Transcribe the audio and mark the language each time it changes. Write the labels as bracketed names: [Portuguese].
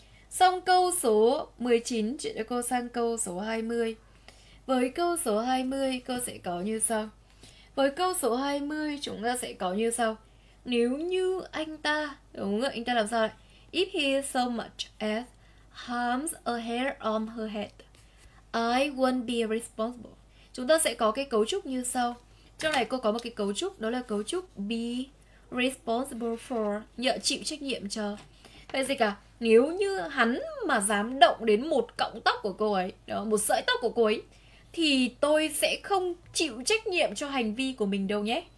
[Vietnamese] Xong câu số 19, chuyển cho cô sang câu số 20. Với câu số 20, cô sẽ có như sau. Với câu số 20, chúng ta sẽ có như sau. Nếu như anh ta, đúng rồi, anh ta làm sao đấy? [English] If he so much as harms a hair on her head, I won't be responsible. [Vietnamese] Chúng ta sẽ có cái cấu trúc như sau. Trong này cô có một cái cấu trúc, đó là cấu trúc [English] be responsible for, [Vietnamese] nhận chịu trách nhiệm cho. Vậy gì cả? Nếu như hắn mà dám động đến một cọng tóc của cô ấy, đó, một sợi tóc của cô ấy, thì tôi sẽ không chịu trách nhiệm cho hành vi của mình đâu nhé.